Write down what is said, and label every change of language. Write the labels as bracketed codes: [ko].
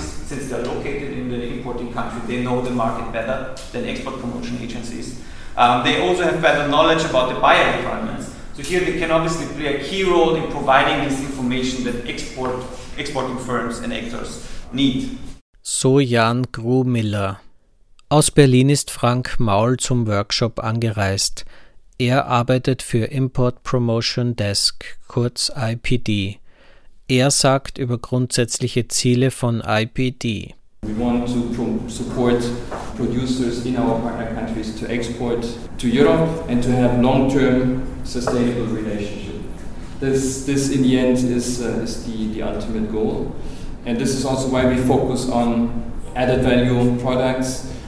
[en] Since they're located in the importing country, they know the market better than export promotion agencies. They also have better knowledge about the buyer requirements. So here they can obviously play a key role in providing this information that exporting firms and actors need. So Jan Grumiller. [de] Aus Berlin ist Frank Maul zum Workshop angereist. Er arbeitet für Import Promotion Desk, kurz IPD. Er sagt über grundsätzliche Ziele von IPD. [en] We want to support producers in our partner countries to export to Europe and to have long-term sustainable relationship. This in the end is the ultimate goal. And this is also why we focus on added value products.